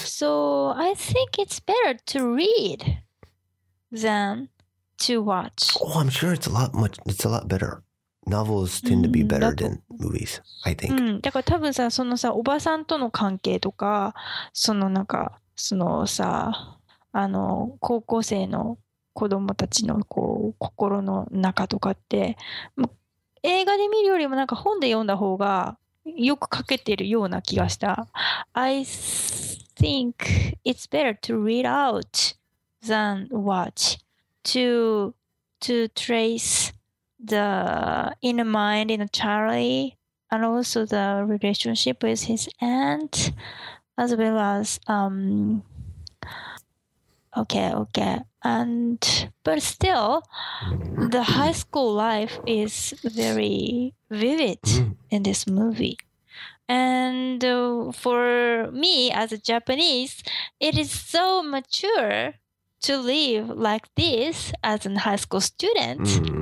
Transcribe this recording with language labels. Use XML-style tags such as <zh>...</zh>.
<en>So I think it's better to read than to watch. Oh, I'm sure it's a lot better. Novels tend to be better than movies, I think.</en> <ja>だから多分さ、そのさ、おばさんとの関係とか、そのなんか、そのさ、あの、高校生の子供たちのこう心の中とかって、映画で見るよりもなんか本で読んだ方がよく書けてるような気がした。</ja> <en>I think it's better to read out than watch to trace... The inner mind in Charlie, and also the relationship with his aunt, as well as but still, the high school life is very vivid in this movie, and for me as a Japanese, it is so mature to live like this as a high school student.</en>